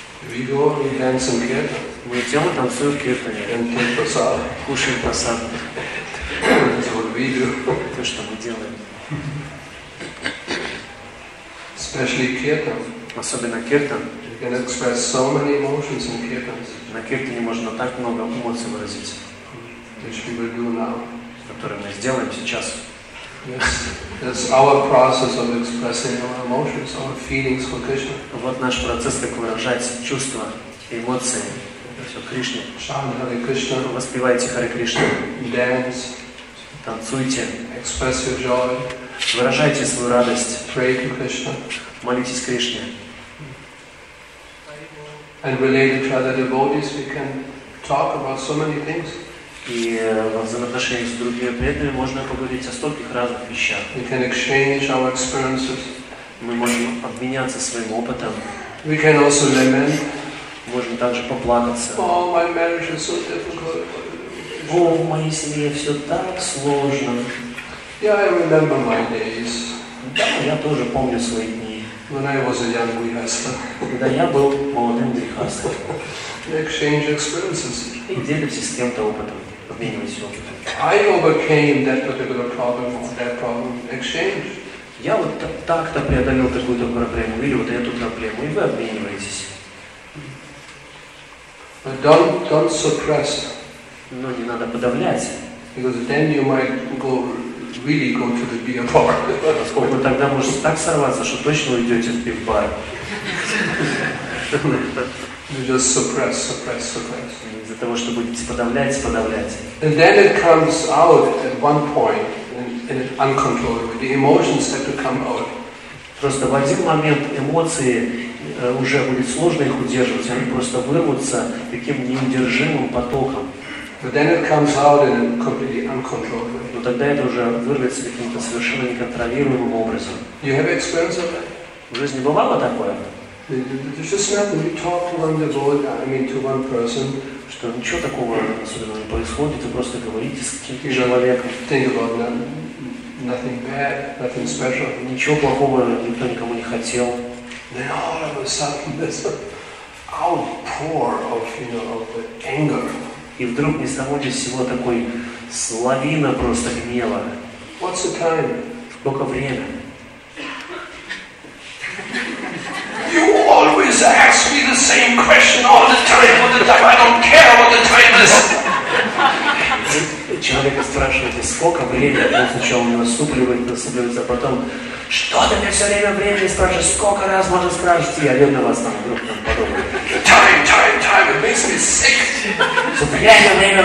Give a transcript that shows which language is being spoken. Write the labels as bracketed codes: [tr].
[en] We go and dance kirtan. [ru] Мы идем и танцуем киртане. [en] And take prasad. [ru] Кушаем прасад. [en] That's what we do. [ru] То, что мы делаем. [en] Especially kirtan. [ru] Особенно киртан. [en] You can express so many emotions in kirtans. [ru] На киртане можно так много эмоций выразить. [en] Which we will do now. [ru] Которые мы сделаем сейчас. [en] That's our process of expressing our emotions, our feelings for Krishna. [ru] Вот наш процесс, как выражать чувства, эмоции, все Кришне. [en] Chant Hare Krishna. [ru] Воспевайте Харе Кришну. [en] Dance. [ru] Танцуйте. [en] Express your joy. [ru] Выражайте свою радость. [en] Pray to Krishna. [ru] Молитесь Кришне. [en] And related to other devotees, we can talk about so many things. [ru] И во взаимоотношениях с другими преданными можно поговорить о стольких разных вещах. [en] We can exchange our experiences. [ru] Мы можем обменяться своим опытом. [en] We can also lament. [ru] Можем также поплакаться. [en] Oh, my marriage is so difficult. [ru] О, в моей семье все так сложно. [en] Yeah, I remember my days. [ru] Да, я тоже помню свои дни. [en] When I was a young grihastha. [ru] Когда я был молодым грихастом. [en] We exchange experiences. [ru] И делимся с кем-то опытом, обмениваемся опытом. [en] I overcame that particular problem or that problem. Exchange. [ru] Я вот так-то преодолел такую-то проблему или вот эту проблему, и вы обмениваетесь. [en] But don't suppress. [ru] Но не надо подавлять. [en] Because then you might really go to the beer bar. [ru] Поскольку тогда можете так сорваться, что точно уйдете в пив-бар. [en] You just suppress. [ru] Из-за того, что будете подавлять. [en] And then it comes out at one point, and it uncontrollably. The emotions have to come out. [ru] Просто в один момент эмоции уже будет сложно их удерживать, они просто вырвутся таким неудержимым потоком. [en] But then it comes out in completely uncontrollably. [ru] Но тогда это уже вырвется каким-то совершенно неконтролируемым образом. [en] You have experience of that? [ru] В жизни бывало такое? [en] It's just not that we talk to one devotee, I mean to one person. [ru] Что ничего такого особенного не происходит, вы просто говорите с каким-то человеком. [en] Think about nothing bad, nothing special. [ru] Ничего плохого никто никому не хотел. [en] Then all of a sudden there's an outpour of, you know, of the anger. [ru] И вдруг ни с того ни с сего такой лавина просто гнева. [en] What's the time? [ru] Сколько время? [en] You always ask me the same question all the time. All the time. I don't care what the time is. [ru] Человек спрашивает, сколько времени? Сначала он наступливается, а потом, что ты мне все время времени спрашиваешь? Сколько раз можно спрашивать? Я люблю вас там, вдруг там подумаю. [en] Time. It makes me sick.